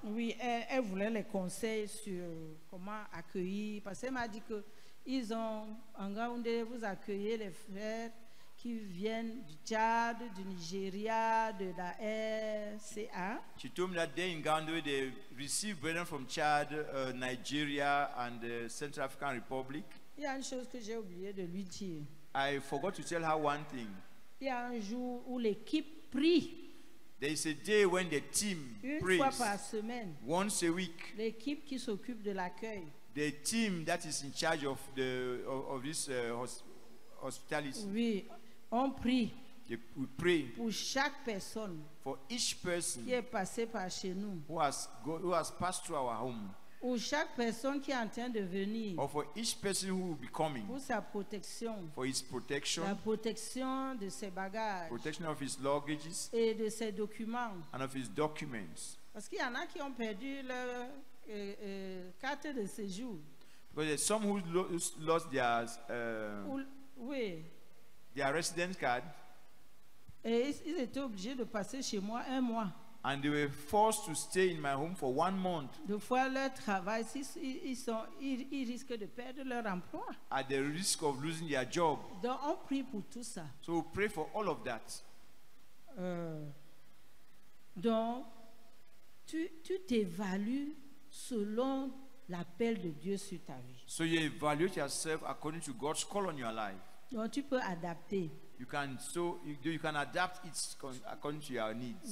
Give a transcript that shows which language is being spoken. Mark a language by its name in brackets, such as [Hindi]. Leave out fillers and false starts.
[French] Oui, elle voulait les conseils sur comment accueillir. Parce qu'elle m'a dit que ils ont en Gaoundé, vous accueillez les frères qui viennent du Tchad, du Nigeria, de la RCA. [English] She told me that they in Gaoundé they receive brethren from Tchad, Nigeria and the Central African Republic. [French] Il y a une chose que j'ai oublié de lui dire. [English] I forgot to tell her one thing. [French] Il y a un jour où l'équipe prie. [English] There is a day when the team [French] une [English] prays. [French] Une fois par semaine. [English] Once a week. [French] L'équipe qui s'occupe de l'accueil. [English] The team that is in charge of the of this hospitality. [French] Oui, on prie. [English] We pray [French] pour chaque personne. [English] For each person [French] qui est passé par chez nous. [English] Who has passed through our home. [French] Ou chaque personne qui est en train de venir. [English] Or for each person who will be coming. [French] Pour sa protection. [English] For his protection. [French] La protection de ses bagages. [English] Protection of his luggages. [French] Et de ses documents. [English] And of his documents. [French] Parce qu'il y en a qui ont perdu leur carte de séjour. [English] Because there's some who lost their residence card. [French] Et ils étaient obligés de passer chez moi un mois. [English] And they were forced to stay in my home for 1 month. [French] De fois leur travail, ils risquent de perdre leur emploi. [English] At the risk of losing their job. [French] Donc on prie pour tout ça. [English] So we pray for all of that. [French] Donc tu t'évalues selon l'appel de Dieu sur ta vie. [English] So you evaluate yourself according to God's call on your life. [French] Donc tu peux adapter. [English] You can adapt it according to your needs.